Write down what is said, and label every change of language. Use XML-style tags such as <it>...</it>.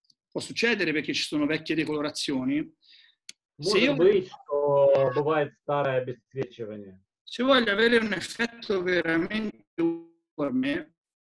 <it>Può succedere perché ci sono vecchie decolorazioni. Se io...</it> <ru>бывает старое обесцвечивание.</ru> <it>Se voglio avere un effetto veramente uniforme...</it>